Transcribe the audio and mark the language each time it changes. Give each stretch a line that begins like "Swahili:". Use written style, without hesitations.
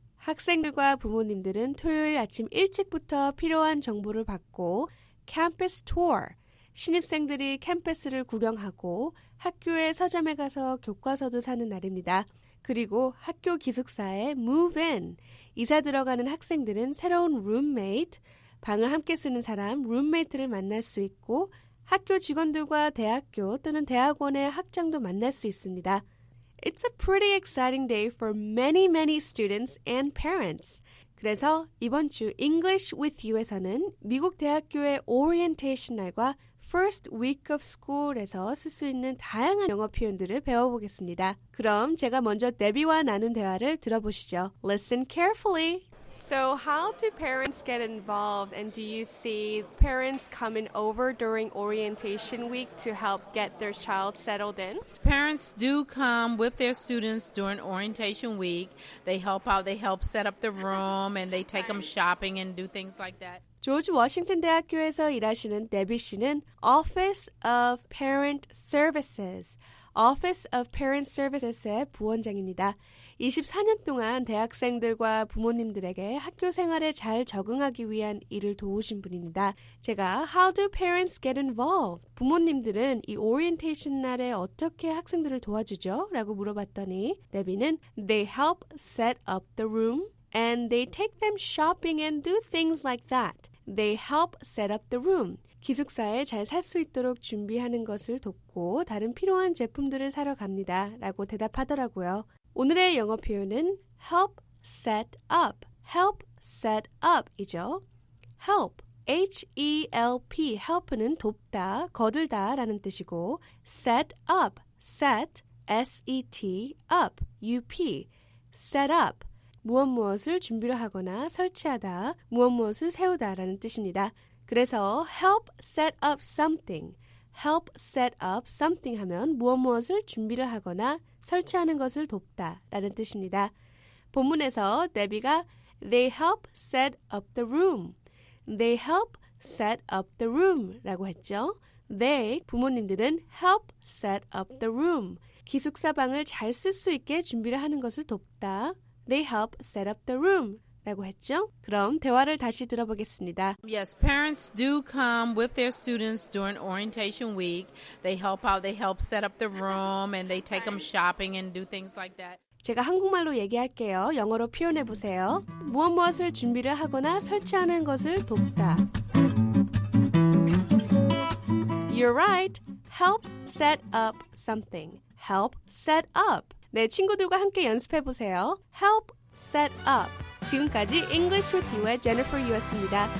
Korean: 학생들과 부모님들은 토요일 아침 일찍부터 필요한 정보를 받고 Campus Tour, 신입생들이 캠퍼스를 구경하고 학교의 서점에 가서 교과서도 사는 날입니다. 그리고 학교 기숙사에 Move In, 이사 들어가는 학생들은 새로운 roommate, 방을 함께 쓰는 사람, roommate를 만날 수 있고 학교 직원들과 대학교 또는 대학원의 학장도 만날 수 있습니다.
English: It's a pretty exciting day for many, many students and parents.
Korean: 그래서 이번 주 English with You에서는 미국 대학교의 orientation 날과 First Week of School에서 쓸 수 있는 다양한 영어 표현들을 배워보겠습니다. 그럼 제가 먼저 데비와 나눈 대화를 들어보시죠.
English: Listen carefully. So how do parents get involved and do you see parents coming over during orientation week to help get their child settled in? Parents do come with their students during orientation week. They help out, they help set up the room and they take them shopping and do things like that.
Korean: 조지 워싱턴 대학교에서 일하시는 데비 씨는 Office of Parent Services, Office of Parent Services의 부원장입니다. 24년 동안 대학생들과 부모님들에게 학교 생활에 잘 적응하기 위한 일을 도우신 분입니다. 제가
English: How do parents get involved?
Korean: 부모님들은 이 orientation 날에 어떻게 학생들을 도와주죠? 라고 물어봤더니 데비는
English: They help set up the room and they take them shopping and do things like that. They help set up the room.
Korean: 기숙사에 잘 살 수 있도록 준비하는 것을 돕고 다른 필요한 제품들을 사러 갑니다. 라고 대답하더라고요. 오늘의 영어 표현은
English: help set up. Help set up이죠. Help, H-E-L-P.
Korean: Help는 돕다, 거들다 라는 뜻이고 set up, set, S-E-T, up, U-P.
English: Set up.
Korean: 무엇 무엇을 준비를 하거나 설치하다, 무엇 무엇을 세우다라는 뜻입니다. 그래서
English: help set up something,
Korean: help set up something 하면 무엇 무엇을 준비를 하거나 설치하는 것을 돕다라는 뜻입니다. 본문에서 데비가
English: they help set up the room, they help set up the room
Korean: 라고 했죠. They 부모님들은
English: help set up the room,
Korean: 기숙사 방을 잘 쓸 수 있게 준비를 하는 것을 돕다.
English: They help set up the room.
Korean: 라고 했죠? 그럼 대화를 다시 들어보겠습니다.
English: Yes, parents do come with their students during orientation week. They help out, they help set up the room, and they take them shopping and do things like that.
Korean: 제가 한국말로 얘기할게요. 영어로 표현해 보세요. 무엇 무엇을 준비를 하거나 설치하는 것을 돕다.
English: You're right. Help set up something. Help set up.
Korean: 네, 친구들과 함께 연습해 보세요.
English: Help set up.
Korean: 지금까지 English with You의 Jennifer You였습니다.